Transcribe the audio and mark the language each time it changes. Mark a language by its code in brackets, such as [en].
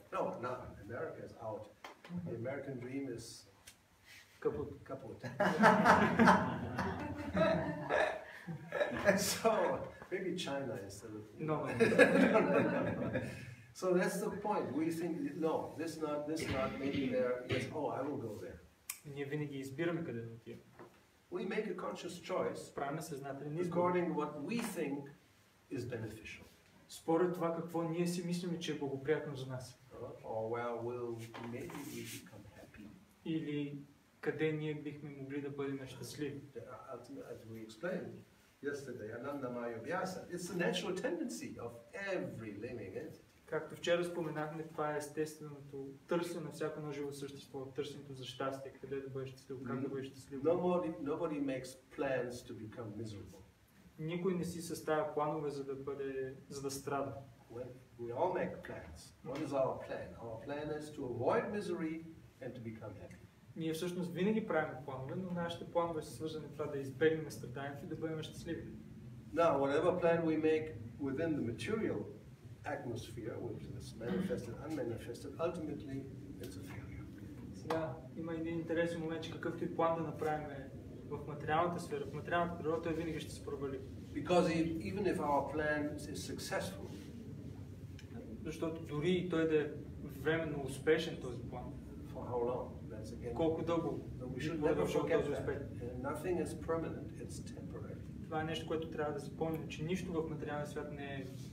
[en] No, America is out. The American dream is... Kaput. So, maybe China is the... No. So that's the point. We think no, this not, maybe there. Yes, oh, I will go there. [bg] Ние винаги избираме къде да отидем. [en] We make a conscious choice. [bg] Правим съзнателен избор. [en] According what we think is beneficial. [bg] Според това какво ние си мислим, че е благоприятно за нас. [en] Or where will maybe we become happy. [bg] Или къде ние бихме могли да бъдем щастливи. [en] As we explained yesterday, Ananda Maya Vyasa, it's the natural tendency of every living entity. [bg] Както вчера споменахме, това е естественото търсене на всяко едно живо същество, търсенето за щастие, къде да бъдеш щастлив, как да бъдеш щастлив. [en] Nobody makes plans to become miserable. [bg] Никой не си съставя планове за да бъде, за да страда. [en] We all make plans. What is our plan? Our plan is to avoid misery and to become happy. [bg] Ние всъщност винаги правим планове, но нашите планове са свързани това да избегнем страданието и да бъдем щастливи. [en] Now, whatever plan we make within the material atmosphere, which is manifested, unmanifested, ultimately it's a failure. [bg] Сега има един интересен момент, че какъвто и план да направим в материалната сфера, в материалната природа, той винаги ще се провали. [en] Because even if our plan is successful, [bg] защото дори и той да е временно успешен този план, [en] for how long? That's again. [bg] Колко дълго? [en] We should never forget that. Nothing is permanent, it's temporary. [bg] Това е нещо, което трябва да запомним, че нищо в материалния свят не е